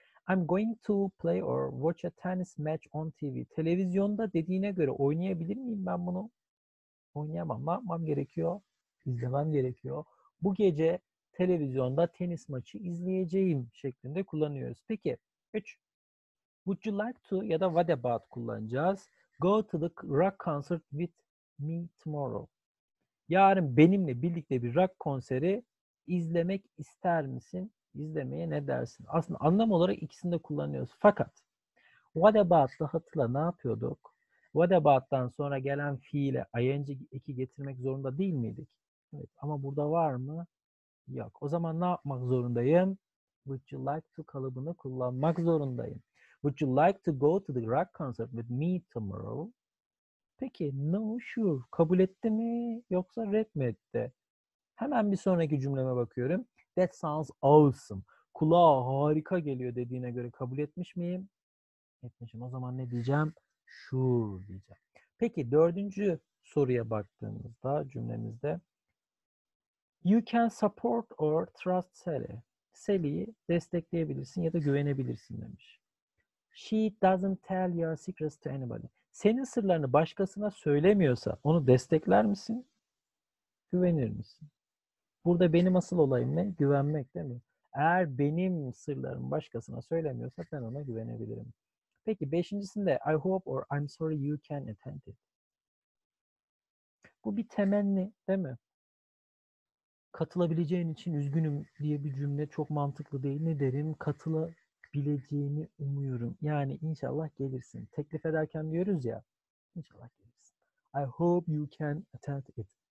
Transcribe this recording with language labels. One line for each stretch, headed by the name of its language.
English: I'm going to play or watch a tennis match on TV.
Turkish: Televizyonda dediğine göre oynayabilir miyim ben bunu? Oynayamam. Ne yapmam gerekiyor? İzlemem gerekiyor. Bu gece televizyonda tenis maçı izleyeceğim şeklinde kullanıyoruz. Peki. 3.
English: Would you like to
Turkish: ya da what about kullanacağız.
English: Go to the rock concert with me tomorrow.
Turkish: Yarın benimle birlikte bir rock konseri izlemek ister misin? İzlemeye ne dersin? Aslında anlam olarak ikisini de kullanıyoruz. Fakat what about'ı hatırla ne yapıyorduk? What about'tan sonra gelen fiile ing eki getirmek zorunda değil miydik? Evet. Ama burada var mı? Yok. O zaman ne yapmak zorundayım? Would you like to kalıbını kullanmak zorundayım.
English: Would you like to go to the rock concert with me tomorrow?
Turkish: Peki no sure kabul etti mi yoksa red mi etti? Hemen bir sonraki cümleme bakıyorum.
English: That sounds awesome.
Turkish: Kulağa harika geliyor dediğine göre kabul etmiş miyim? Etmişim. O zaman ne diyeceğim? Sure diyeceğim. Peki dördüncü soruya baktığımızda cümlemizde
English: You can support or trust Sally.
Turkish: Sally'yi destekleyebilirsin ya da güvenebilirsin demiş.
English: She doesn't tell your secrets to anybody.
Turkish: Senin sırlarını başkasına söylemiyorsa onu destekler misin? Güvenir misin? Burada benim asıl olayım ne? Güvenmek değil mi? Eğer benim sırlarımı başkasına söylemiyorsa ben ona güvenebilirim. Peki beşincisinde
English: I hope or I'm sorry you can attend it.
Turkish: Bu bir temenni değil mi? Katılabileceğin için üzgünüm diye bir cümle çok mantıklı değil. Ne derim? Katılabileceğini umuyorum. Yani inşallah gelirsin. Teklif ederken diyoruz ya. İnşallah gelirsin.
English: I hope you can attend it.